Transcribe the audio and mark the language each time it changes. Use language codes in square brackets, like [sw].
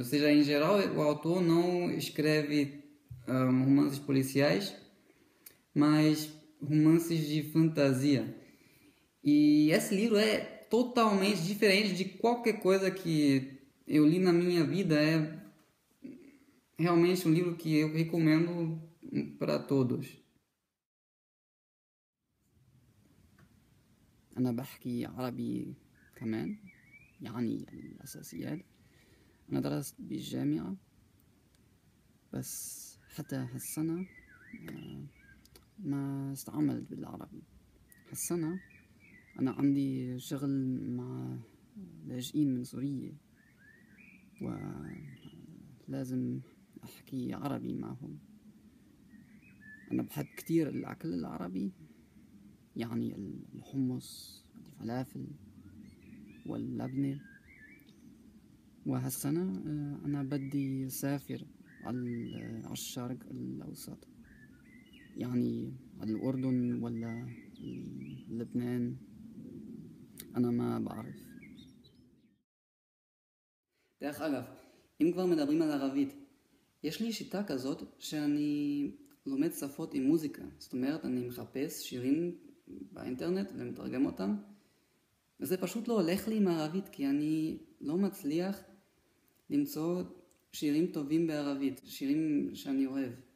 [pt] Ou seja, em geral o autor não escreve romances policiais, mas romances de fantasia. E esse livro é totalmente diferente de qualquer coisa que eu li na minha vida. É realmente um livro que eu recomendo para todos. [ar] انا بحكي عربي كمان يعني الاساسيات. انا درست بالجامعه بس حتى هالسنه ما استعملت بالعربي. هالسنه أنا عندي شغل مع لاجئين من سوريا ولازم أحكي عربي معهم. أنا بحب كتير الأكل العربي، يعني الحمص والفلافل واللبنة. وهالسنة أنا بدي أسافر على الشرق الأوسط، يعني على الأردن ولا لبنان. أنا ما بعرف. [he] דרך אגב, אם כבר מדברים על ערבית, יש לי שיטה כזאת שאני לומד שפות עם מוזיקה. זאת אומרת, אני מחפש שירים באינטרנט ומתרגם אותם, וזה פשוט לא הולך לי עם ערבית, כי אני לא מצליח למצוא שירים טובים בערבית, שירים שאני אוהב.